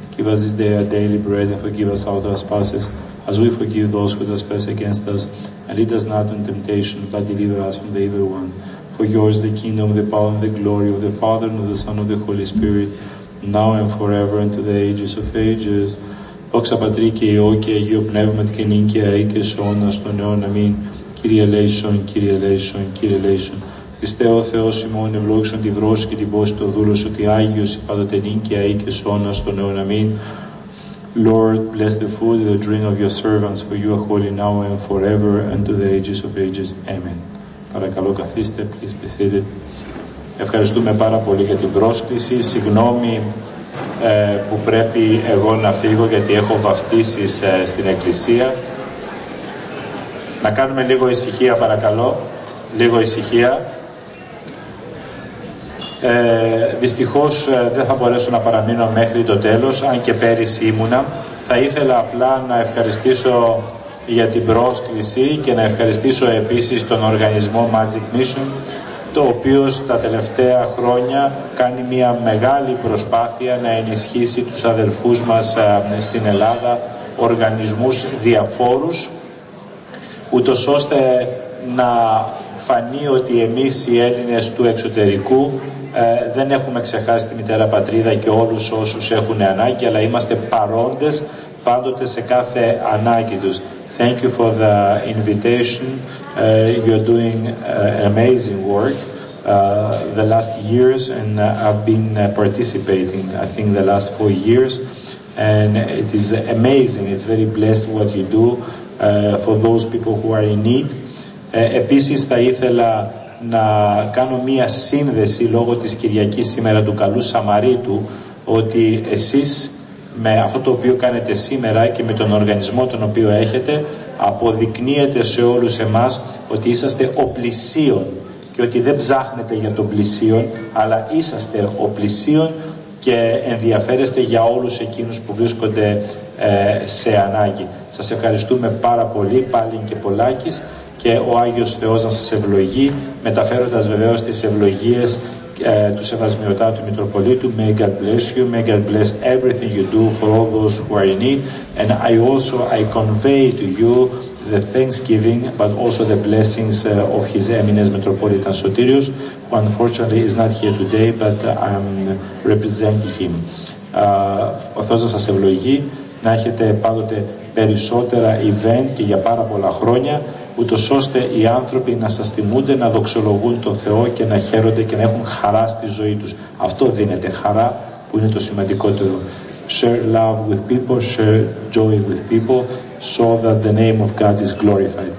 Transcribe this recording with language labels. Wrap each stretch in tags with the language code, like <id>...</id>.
<en>Give us this day our daily bread and forgive us our trespasses, as we forgive those who trespass against us. And lead us not into temptation, but deliver us from the evil one. For yours is the kingdom, the power, and the glory of the Father, and of the Son, and of the Holy Spirit, now and forever, and to the ages of ages.</en> <el>Δόξα Πατρί και Υιώ και Αγίω Πνεύματι και νυν και αεί και σώνα στον αιώνα. Αμήν. Κύριε ελέησον, Κύριε ελέησον, Κύριε ελέησον. Χριστέ ο Θεός ημών, ευλόγησον τη δρόση και την πόση του δούλου σου, ότι Άγιος η πάντοτε νυν και αεί και σώνα στον αιώνα. Αμήν.</el> <en>Lord, bless the food and the drink of your servants, for you are holy now and forever, and to the ages of ages. Amen.</en> <el>Παρακαλώ καθίστε,</el> <en>please be seated.</en> <el>Ευχαριστούμε πάρα πολύ για την πρόσκληση. Συγγνώμη που πρέπει εγώ να φύγω, γιατί έχω βαφτίσεις στην εκκλησία. Να κάνουμε λίγο ησυχία, παρακαλώ. Λίγο ησυχία. Δυστυχώς δεν θα μπορέσω να παραμείνω μέχρι το τέλος, αν και πέρυσι ήμουνα. Θα ήθελα απλά να ευχαριστήσω για την πρόσκληση και να ευχαριστήσω επίσης τον οργανισμό Magic Mission, ο οποίος τα τελευταία χρόνια κάνει μια μεγάλη προσπάθεια να ενισχύσει τους αδελφούς μας στην Ελλάδα, οργανισμούς διαφόρους, ούτως ώστε να φανεί ότι εμείς οι Έλληνες του εξωτερικού δεν έχουμε ξεχάσει τη μητέρα πατρίδα και όλους όσους έχουν ανάγκη, αλλά είμαστε παρόντες πάντοτε σε κάθε ανάγκη τους.</el> <en>Thank you for the invitation. You're doing amazing work the last years, and I've been participating, I think, the last 4 years. And it is amazing. It's very blessed what you do for those people who are in need.</en> <el>Επίσης, θα ήθελα να κάνω μία σύνδεση λόγω της Κυριακής σήμερα του Καλού Σαμαρίτου, ότι εσείς με αυτό το οποίο κάνετε σήμερα και με τον οργανισμό τον οποίο έχετε, αποδεικνύετε σε όλους εμάς ότι είσαστε ο πλησίον και ότι δεν ψάχνετε για τον πλησίον, αλλά είσαστε ο πλησίον και ενδιαφέρεστε για όλους εκείνους που βρίσκονται σε ανάγκη. Σας ευχαριστούμε πάρα πολύ, πάλι και πολλάκις, και ο Άγιος Θεός να σας ευλογεί, μεταφέροντας βεβαίως τις ευλογίες του Σεβασμιωτάτου Μητροπολίτου.</el> <en>May God bless you, may God bless everything you do for all those who are in need, and I also I convey to you the thanksgiving but also the blessings of His Eminence Metropolitan Sotirios, who unfortunately is not here today, but I'm representing him.</en> <el>Ο Θεός να σας ευλογεί, να έχετε πάντοτε περισσότερα event και για πάρα πολλά χρόνια, ούτως ώστε οι άνθρωποι να σας τιμούνται, να δοξολογούν τον Θεό και να χαίρονται και να έχουν χαρά στη ζωή τους. Αυτό δίνεται χαρά, που είναι το σημαντικότερο.</el> <en>Share love with people, share joy with people, so that the name of God is glorified.</en>